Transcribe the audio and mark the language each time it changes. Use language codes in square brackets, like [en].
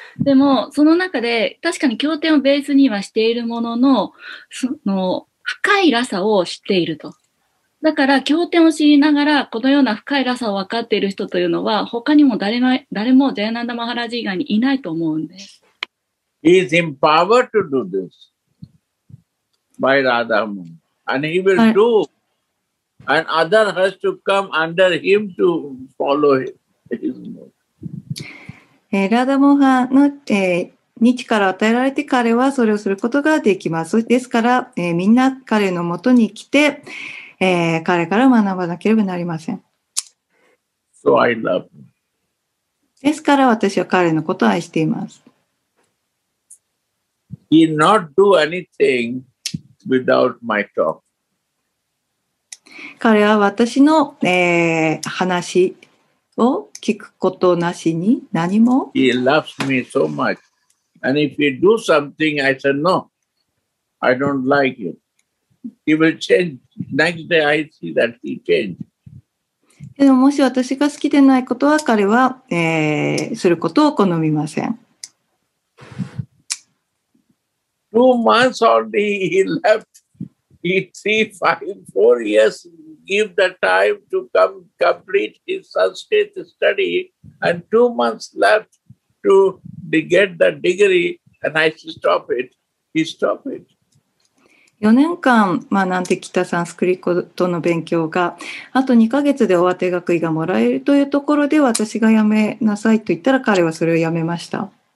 [ja] でも、その中で確かに経典をベースにはしているものの、その深いらさを知っていると。だから経典を知りながらこのような深いらさを分かっている人というのは、他にも誰もジャヤナンダ・マハラジ以外にいないと思うんです。 [en] He is empowered to do this by Radha Mohan. And he will do. And other has to come under him to follow his mode. [ja] Radha Mohan の日から与えられて彼はそれをすることができます。ですから、みんな彼のもとに来て、彼から学ばなければなりません。 [en] So I love him. [ja] ですから私は彼のことを愛しています。 [en] He not do anything without my talk. [ja] 彼は私の、話を聞くことなしに何も。 [en] He loves me so much. And if he do something, I say, no, I don't like it. He will change. Next day I see that he changed. [ja] でももし私が好きでないことは彼は、することを好みません。 [en] 2 months already he left. He 3, 5, 4 years give the time to come complete his Sanskrit study, and 2 months left to get the degree. And I should stop it. He stop it. [ja] 4年間学んできたサンスクリットの勉強が、あと2ヶ月で終わって学位がもらえるというところで私がやめなさいと言ったら彼はそれをやめました。